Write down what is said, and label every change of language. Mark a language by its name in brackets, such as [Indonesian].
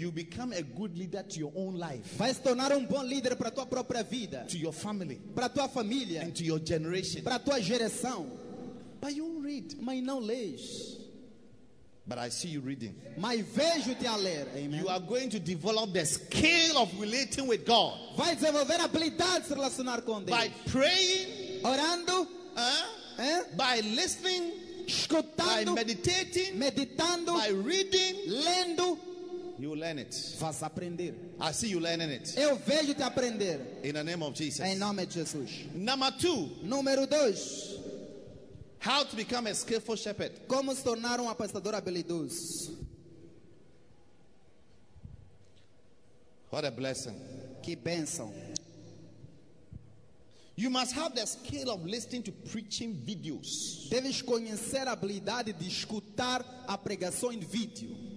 [English] You become a good leader to your own life. [Portuguese] Vai se tornar bom líder para tua própria vida. [English] To your family. [Portuguese] Para tua família. [English] And to your generation. [Portuguese] Para tua geração. [English] But you read. [Portuguese] Mas não lês. [English] But I see you reading. [Portuguese] Mas vejo-te a ler. [English] Amen. You are going to develop the skill of relating with God. [Portuguese] Vai desenvolver a habilidade de relacionar com Deus. [English] By praying. [Portuguese] Orando. [English] By listening. [Portuguese] Escutando. [English] By meditating. [Portuguese] Meditando. [English] By reading. [Portuguese] Lendo. [English] You will learn it. [Portuguese] Vas aprender. [English] I see you learning it. [Portuguese] Eu vejo-te aprender. [English] In the name of Jesus. [Portuguese] Em nome de Jesus. [English] Number 2. [Portuguese] Número 2. [English] How to become a skillful shepherd? [Portuguese] Como se tornar um apacentador habilidoso? [English] What a blessing! [Portuguese] Que bênção! [English] You must have the skill of listening to preaching videos. [Portuguese] Deves conhecer a habilidade de escutar a pregação em vídeo.